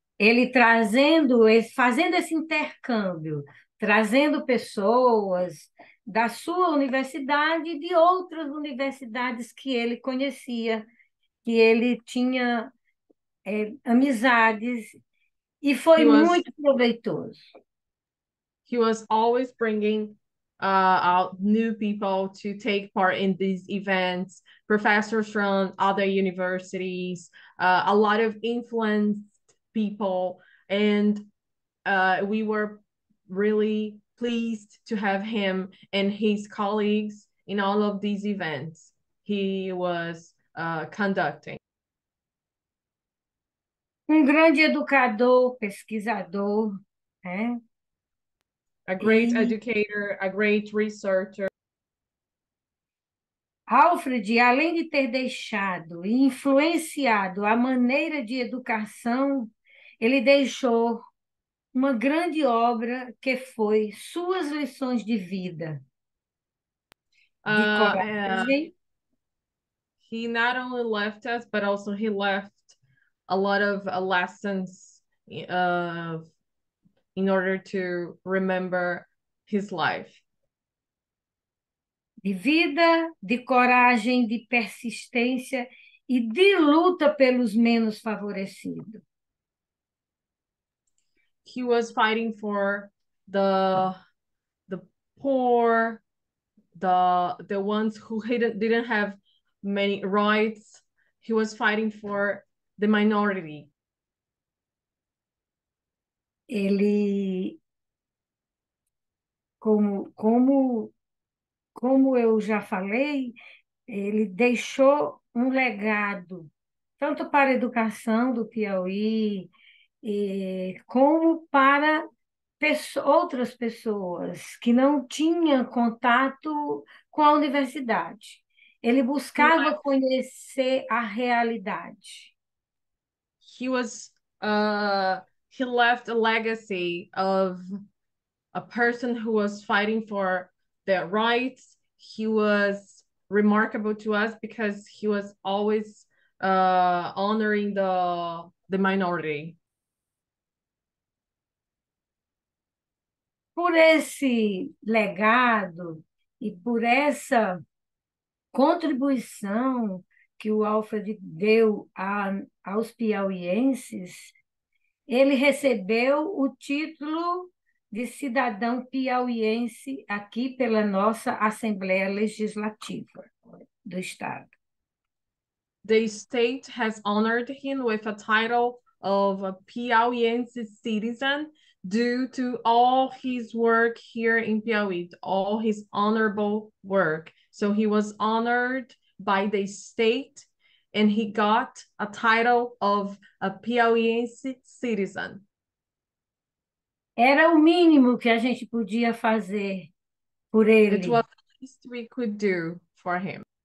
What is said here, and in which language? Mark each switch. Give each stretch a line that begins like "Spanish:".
Portuguese: Ele trazendo, fazendo esse intercâmbio, trazendo pessoas da sua universidade e de outras universidades que ele conhecia, que ele tinha amizades, e foi muito proveitoso.
English: He was always bringing out new people to take part in these events, professors from other universities, a lot of influence people, and we were really pleased to have him and his colleagues in all of these events he was conducting.
Portuguese: Grande educador, pesquisador, né?
English: A great educator, a great researcher.
Portuguese: Alfred, além de ter deixado e influenciado a maneira de educação, ele deixou uma grande obra que foi Suas Lições de Vida. De coragem.
English: He not only left us, but also he left a lot of lessons in order to remember his life.
Portuguese: De vida, de coragem, de persistência e de luta pelos menos favorecidos.
English: He was fighting for the poor, the ones who didn't have many rights. He was fighting for the minority.
Portuguese: Ele, como eu já falei, ele deixou um legado, tanto para a educação do Piauí, e como para outras pessoas que não tinham contato com a universidade. Ele buscava conhecer a realidade.
English: He was he left a legacy of a person who was fighting for their rights. He was remarkable to us because he was always honoring the minority.
Portuguese: Por esse legado e por essa contribuição que o Alfred deu aos piauienses, ele recebeu o título de cidadão piauiense aqui pela nossa Assembleia Legislativa do Estado.
English: The state has honored him with a title of a Piauiense citizen, due to all his work here in Piauí, all his honorable work. So he was honored by the state and he got a title of a Piauiense citizen.
Portuguese: Era o mínimo que a gente podia fazer por ele.
English: It was the least we could do for him.